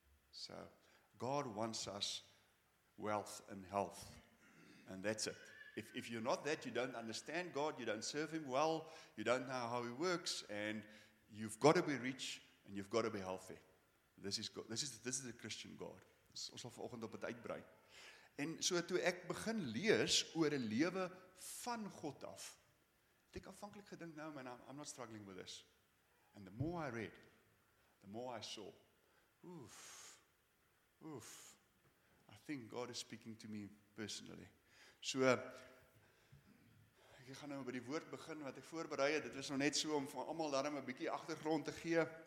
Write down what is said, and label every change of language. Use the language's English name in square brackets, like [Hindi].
[English] So God wants us wealth and health, and that's it. If you're not that, you don't understand God, you don't serve him well, you don't know how he works, and you've got to be rich and you've got to be healthy. This is the Christian God. [Afrikaans] Ons sal vanoggend op dit uitbrei. En so toe ek begin lees oor 'n lewe van God af, het ek aanvanklik gedink, nou man, [English] I'm not struggling with this. And the more I read, the more I saw. Oof. I think God is speaking to me personally. [Afrikaans] So, ek gaan nou by die woord begin wat ek voorberei het. Dit was nou net so om vir almal daarom 'n bietjie agtergrond te gee.